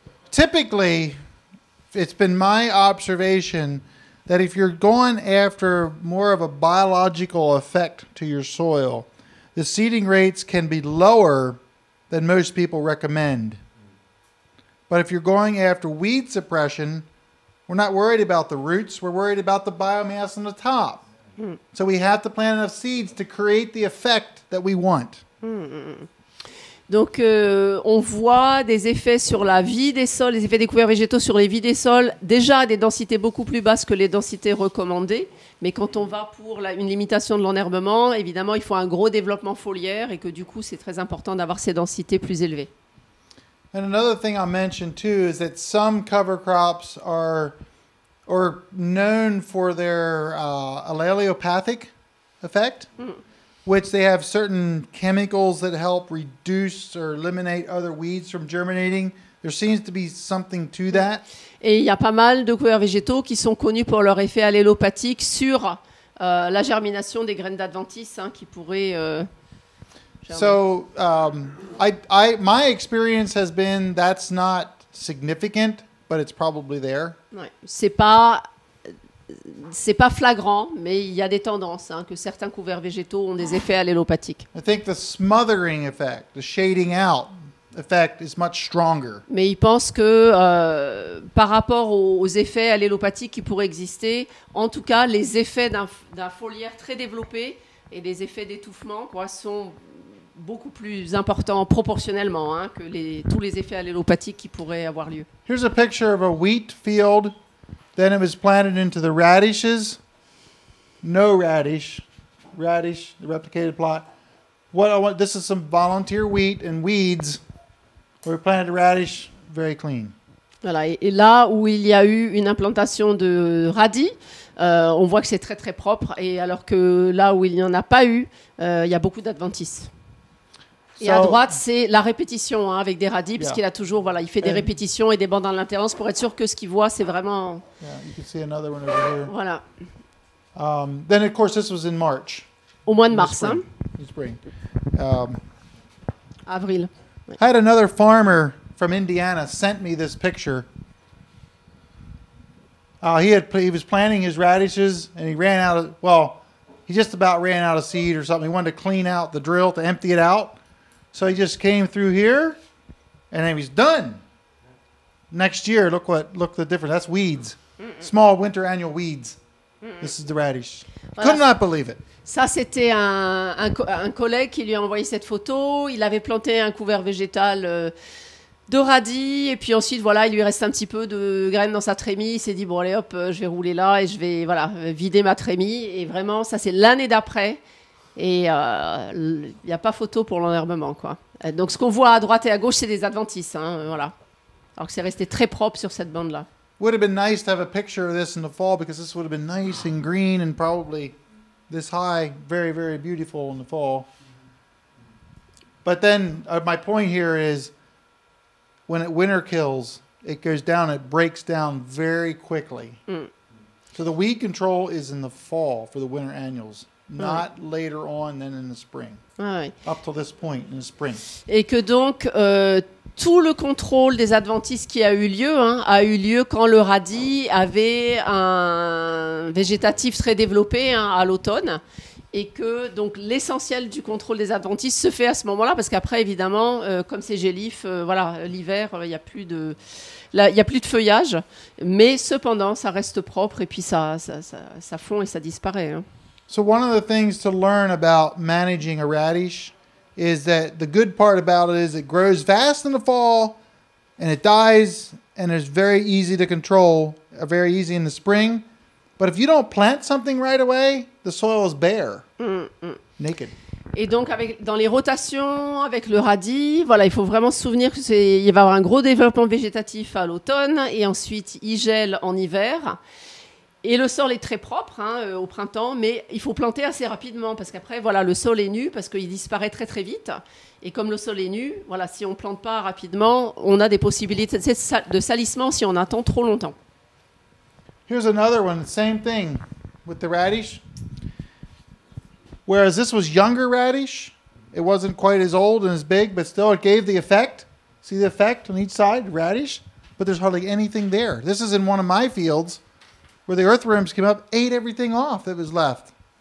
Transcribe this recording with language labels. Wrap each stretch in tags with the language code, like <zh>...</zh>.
<en>Typically, it's been my observation that if you're going after more of a biological effect to your soil, the seeding rates can be lower than most people recommend. But if you're going after weed suppression, we're not worried about the roots, we're worried about the biomass on the top. So we have to plant enough seeds to create the effect that we want.</en> <fr>Donc, on voit des effets sur la vie des sols, les effets des couverts végétaux sur les vies des sols, déjà à des densités beaucoup plus basses que les densités recommandées. Mais quand on va pour une limitation de l'enherbement, évidemment, il faut un gros développement foliaire et que du coup, c'est très important d'avoir ces densités plus élevées.</fr> <en>And another thing I mentioned too is that some cover crops are... or known for their allelopathic effect, which they have certain chemicals that help reduce or eliminate other weeds from germinating. There seems to be something to that.</en> <fr>Et il y a pas mal de couverts végétaux qui sont connus pour leur effet allélopathique sur la germination des graines d'adventices hein, qui pourraient...</fr> <en>So, I my experience has been that's not significant, but it's probably there.</en> <fr>Ouais. C'est pas flagrant, mais il y a des tendances hein, que certains couverts végétaux ont des effets allélopathiques.</fr> <en>I think the smothering effect, the shading out effect is much stronger.</en> <fr>Mais ils pensent que par rapport aux effets allélopathiques qui pourraient exister, en tout cas, les effets d'un foliaire très développé et des effets d'étouffement quoi, sont beaucoup plus importants proportionnellement hein, que tous les effets allélopathiques qui pourraient avoir lieu.</fr> <en>Here's a picture of a wheat field. Then it was planted into the radishes. No radish. Radish, the replicated plot. What I want, this is some volunteer wheat and weeds. We planted radish very clean.</en> <fr>Voilà, et là où il y a eu une implantation de radis, on voit que c'est très très propre, et alors que là où il n'y en a pas eu, il y a beaucoup d'adventices. Et so, à droite, c'est la répétition hein, avec des radis, puisqu'il a toujours, voilà, il fait des répétitions et des bandes en latérance pour être sûr que ce qu'il voit, c'est vraiment.</fr> <en>Yeah, you can see another one over here.</en> <fr>Voilà.</fr> <en>Then of course, this was in March.</en> <fr>Au mois de mars,</fr> <en>spring.</en> <fr>Hein.</fr> <en>In spring.</en> <fr>Avril.</fr> <en>I had another farmer from Indiana sent me this picture. He was planting his radishes and he ran out of, well, he just about ran out of seed or something. He wanted to clean out the drill to empty it out. So he just came through here and then he's done. Next year, look the difference. That's weeds. Small winter annual weeds. This is the radish. Voilà. Could not believe it.</en> <fr>Ça, c'était un collègue qui lui a envoyé cette photo. Il avait planté un couvert végétal de radis. Et puis ensuite, voilà, il lui reste un petit peu de graines dans sa trémie. Il s'est dit, bon, allez, hop, je vais rouler là et je vais voilà, vider ma trémie. Et vraiment, ça, c'est l'année d'après. Et il n'y a pas photo pour l'enherbement, quoi. Donc, ce qu'on voit à droite et à gauche, c'est des adventices. Hein, voilà. Alors que c'est resté très propre sur cette bande-là.</fr> <en>Would have been nice to have a picture of this in the fall because this would have been nice and green and probably this high, very, very beautiful in the fall. But then my point here is when it winter kills, it goes down, it breaks down very quickly. Mm. So the weed control is in the fall for the winter annuals. Not</en> <fr>oui.</fr> <en>later on than in the spring.</en> <fr>Ah, oui.</fr> <en>Up to this point in the spring.</en> <fr>Et que donc tout le contrôle des adventices qui a eu lieu hein, a eu lieu quand le radis avait un végétatif très développé hein, à l'automne, et que donc l'essentiel du contrôle des adventices se fait à ce moment-là, parce qu'après évidemment comme c'est gélif, voilà l'hiver il y a plus de là, il y a plus de feuillage, mais cependant ça reste propre et puis ça fond et ça disparaît. Hein.</fr> <en>So one of the things to learn about managing a radish is that the good part about it is it grows fast in the fall and it dies and it's very easy to control, very easy in the spring. But if you don't plant something right away, the soil is bare, naked.</en> <fr>Et donc, dans les rotations, avec le radis, voilà, il faut vraiment se souvenir qu'il va y avoir un gros développement végétatif à l'automne et ensuite il gèle en hiver. Et le sol est très propre hein, au printemps, mais il faut planter assez rapidement parce qu'après, voilà, le sol est nu parce qu'il disparaît très, très vite. Et comme le sol est nu, voilà, si on ne plante pas rapidement, on a des possibilités de salissement si on attend trop longtemps.</fr> <en>Here's another one, same thing with the radish. Whereas this was younger radish, it wasn't quite as old and as big, but still it gave the effect. See the effect on each side, radish? But there's hardly anything there. This is in one of my fields. Where the earthworms came up, ate everything off that was left.</en>